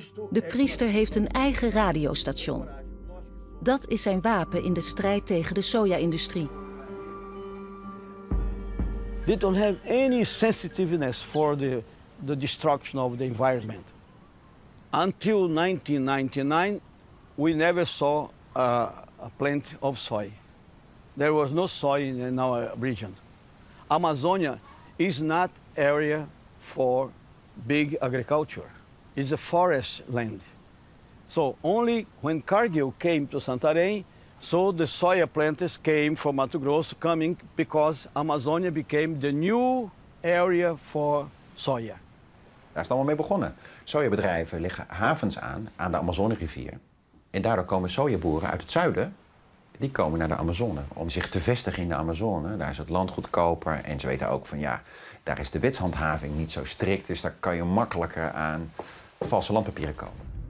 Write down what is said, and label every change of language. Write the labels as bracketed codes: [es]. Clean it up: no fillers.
[nl] De priester heeft een eigen radiostation. Dat is zijn wapen in de strijd tegen de soja-industrie. [en] They don't have any sensitiveness for the destruction of the environment. Until 1999, we never saw a plant of soy. There was no soy in our region. Amazonia is not area for big agriculture. It's a forest land. So only when Cargill came to Santarém, so the soya planters came from Mato Grosso coming because Amazonia became the new area for soya. [nl] Daar is het allemaal mee begonnen. Sojabedrijven liggen havens aan de Amazonerivier. En daardoor komen sojaboeren uit het zuiden, die komen naar de Amazone om zich te vestigen in de Amazone. Daar is het land goedkoper en ze weten ook van ja, daar is de wetshandhaving niet zo strikt, dus daar kan je makkelijker aan valse landpapieren komen.